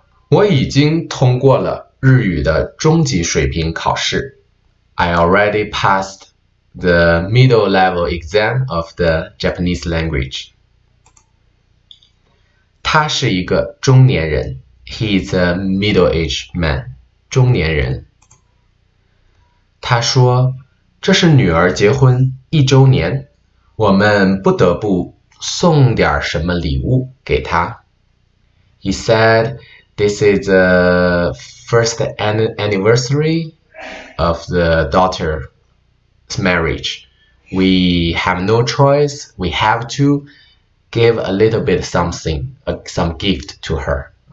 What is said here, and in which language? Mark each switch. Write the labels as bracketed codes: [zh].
[zh] 我已经通过了日语的中级水平考试。 [en] I already passed the middle level exam of the Japanese language. [zh] 他是一个中年人。 [en] He is a middle-aged man. 中年人。 [zh] 他说：“这是女儿结婚1周年，我们不得不送点什么礼物给她。 [en] ”He said, "This is the first anniversary of the daughter's marriage. We have no choice. We have to give a little bit something, some gift to her.